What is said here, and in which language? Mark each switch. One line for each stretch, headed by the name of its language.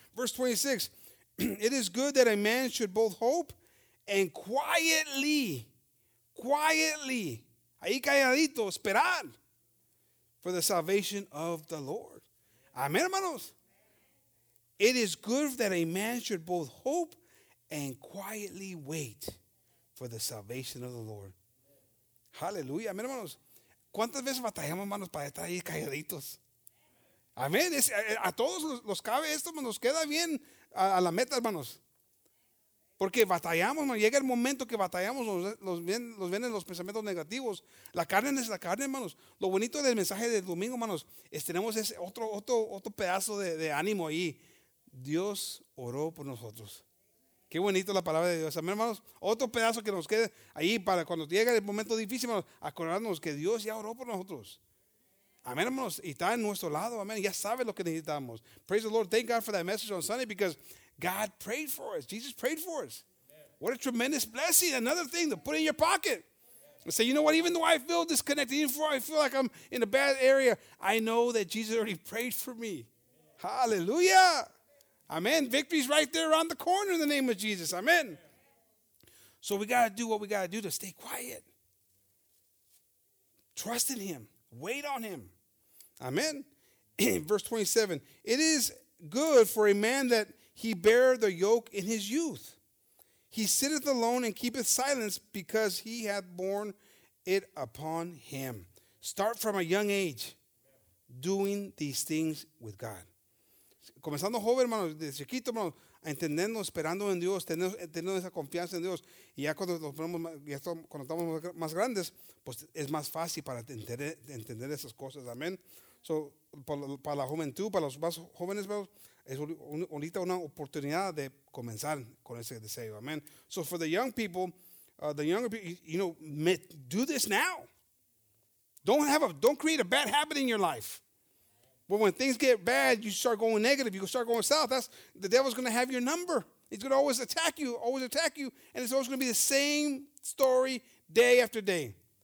English: Verse 26, it is good that a man should both hope and quietly,
Spanish: ahí calladito, esperar
English: for the salvation of the Lord. Amen, hermanos. It is good that a man should both hope and quietly wait for the salvation of the Lord. Hallelujah. Amen, hermanos.
Spanish: ¿Cuántas veces batallamos, hermanos, para estar ahí calladitos? Amén. A todos los cabe esto, nos queda bien a la meta, hermanos. Porque batallamos, hermanos. Llega el momento que batallamos, nos vienen los pensamientos negativos. La carne es la carne, hermanos. Lo bonito del mensaje del domingo, hermanos, es tenemos ese otro pedazo de ánimo ahí. Dios oró por nosotros. Qué bonito la palabra de Dios. Amén, hermanos. Otro pedazo que nos quede ahí para cuando llegue el momento difícil, hermanos, acordarnos que Dios ya oró por nosotros. Amén, hermanos. Y está en nuestro lado. Amén. Ya sabe lo que necesitamos.
English: Praise the Lord. Thank God for that message on Sunday because God prayed for us. Jesus prayed for us. Amen. What a tremendous blessing. Another thing to put in your pocket. And say, you know what? Even though I feel disconnected, even though I feel like I'm in a bad area, I know that Jesus already prayed for me. Hallelujah. Amen. Victory's right there around the corner in the name of Jesus. Amen. So we got to do what we got to do to stay quiet. Trust in him. Wait on him. Amen. Verse 27. It is good for a man that he bear the yoke in his youth. He sitteth alone and keepeth silence because he hath borne it upon him. Start from a young age doing these things with God.
Spanish: Comenzando joven, hermano, de chiquito, hermano, entendiendo, esperando en Dios, teniendo esa confianza en Dios. Y ya cuando estamos más grandes, pues es más fácil para entender esas cosas. Amén. So, para la juventud, para los más jóvenes, hermano, es ahorita una oportunidad de comenzar con ese deseo. Amén.
English: So, for the young people, do this now. Don't create a bad habit in your life. But when things get bad, you start going negative. You start going south. That's the devil's going to have your number. He's going to always attack you. And it's always going to be the same story day after day.